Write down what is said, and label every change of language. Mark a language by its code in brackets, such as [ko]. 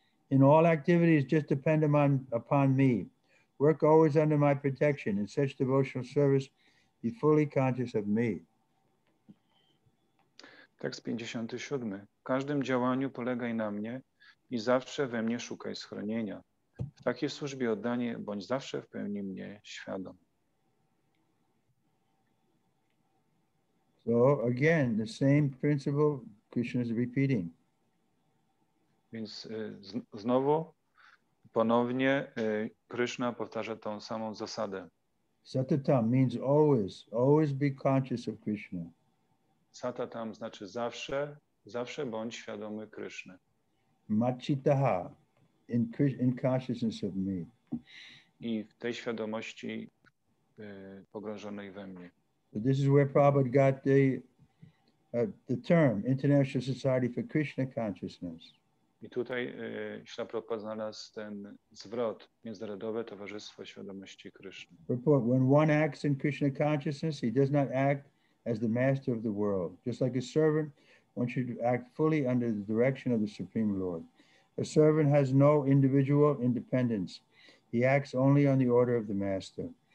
[en] In all activities, just depend upon me. Work always under my protection. In such devotional service, be fully conscious of me. [pl] Tekst 57. W każdym działaniu polegaj na mnie i zawsze we mnie szukaj schronienia. W takiej służbie oddanie bądź zawsze w pełni mnie świadom. [en] So again, the same principle Krishna is repeating. [pl] Więc znowu, ponownie Krishna powtarza tą samą zasadę. [en] Satatam means always be conscious of Krishna. [pl] Satatam znaczy zawsze, zawsze bądź świadomy Kryszny. [en] Machitaha, in consciousness of me. [pl] I w tej świadomości pogrążonej we mnie. [en] So this is where Prabhupada got the term International Society for Krishna Consciousness. [pl] I tutaj Śrila Prabhupada znalazł ten zwrot, Międzynarodowe Towarzystwo Świadomości Kryszny. [en] When one acts in Krishna consciousness, he does not act as the master of the world. Just like a servant, one should act fully under the direction of the Supreme Lord. A servant has no individual independence. He acts only on the order of the master.